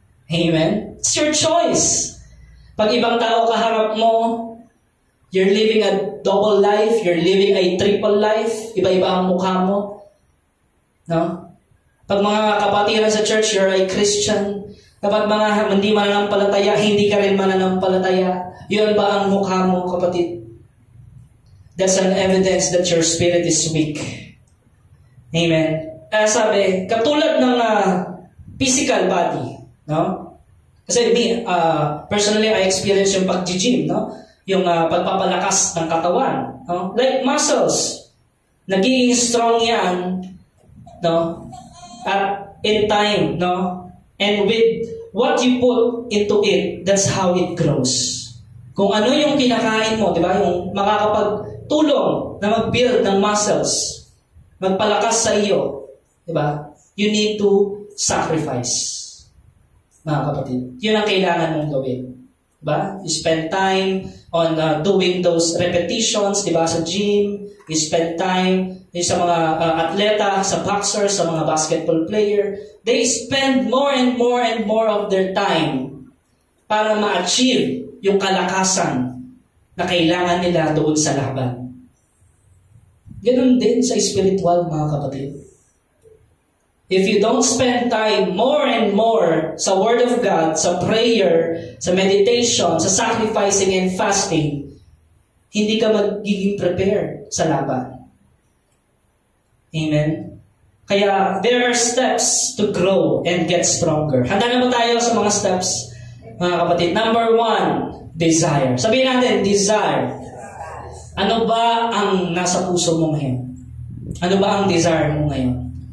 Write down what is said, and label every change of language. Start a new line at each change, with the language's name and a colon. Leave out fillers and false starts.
English: Amen? It's your choice.
Filipino: Pag ibang tao kaharap mo,
English: you're living a double life. You're living a triple life.
Filipino: Iba-iba ang mukha mo.
English: No?
Filipino: Pag mga kapatiran sa
English: church, you're a Christian.
Filipino: Dapat mga hindi mananampalataya, hindi ka rin mananampalataya. Yun ba ang mukha mo, kapatid?
English: That's an evidence that your spirit is weak.
Filipino: Amen. Kaya sabi, katulad ng physical body, no?
English: Kasi me, personally, I experience yung pag-gym, no?
Filipino: Yung pagpapalakas ng katawan, no? Like muscles, nagiging strong yan, no? At in time, no?
English: And with what you put into it, that's how it grows.
Filipino: Kung ano yung kinakain mo, di ba? Yung makakapagtulong na mag-build ng muscles, magpalakas sa iyo, di ba?
English: You need to sacrifice.
Filipino: Mga kapatid, yun ang kailangan mong gawin. Diba?
English: You spend time on doing those repetitions, diba? Sa gym, you spend time sa mga atleta, sa boxer, sa mga basketball player. They spend more and more and more of their time
Filipino: para ma-achieve yung kalakasan na kailangan nila doon sa laban. Ganun din sa spiritual, mga kapatid.
English: If you don't spend time more and more sa Word of God, sa prayer, sa meditation, sa sacrificing and fasting,
Filipino: hindi ka magiging prepared sa laban.
English: Amen? Kaya there are steps to grow and get stronger.
Filipino: Handa na ba tayo sa mga steps, mga kapatid?
English: Number one, desire.
Filipino: Sabihin natin, desire. Ano ba ang nasa puso mo ngayon? Ano ba ang desire mo ngayon?